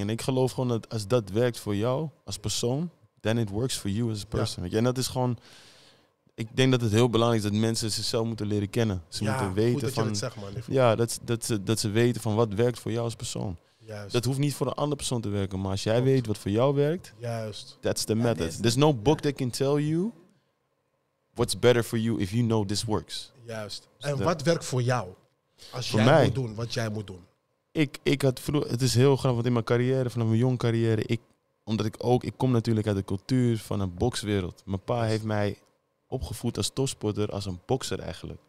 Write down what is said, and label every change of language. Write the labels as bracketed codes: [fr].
[nl] En ik geloof gewoon dat als dat werkt voor jou als persoon, [en] then it works for you as a person. [nl] Ja. En dat is gewoon, ik denk dat het heel belangrijk is dat mensen zichzelf moeten leren kennen. Ze moeten weten van, dat ze weten van wat werkt voor jou als persoon. Juist. Dat hoeft niet voor een andere persoon te werken, maar als jij weet wat voor jou werkt, juist, [en] that's the method. There's no book that can tell you what's better for you if you know this works. [nl] Juist. En wat werkt voor jou als jij moet doen wat jij moet doen? Ik had vroeger, het is heel grappig, want in mijn carrière, vanaf mijn jong carrière, ik kom natuurlijk uit de cultuur van een bokswereld. Mijn pa heeft mij opgevoed als topsporter, als een bokser eigenlijk.